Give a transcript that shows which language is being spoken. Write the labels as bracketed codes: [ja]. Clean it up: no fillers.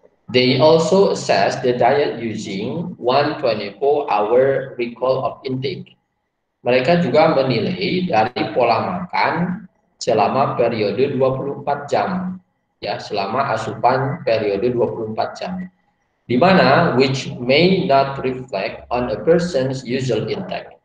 [en] They also assess the diet using 124 hour recall of intake. [id] Mereka juga menilai dari pola makan selama periode 24 jam. Ya, selama asupan periode 24 jam. Di mana [en] which may not reflect on a person's usual intake.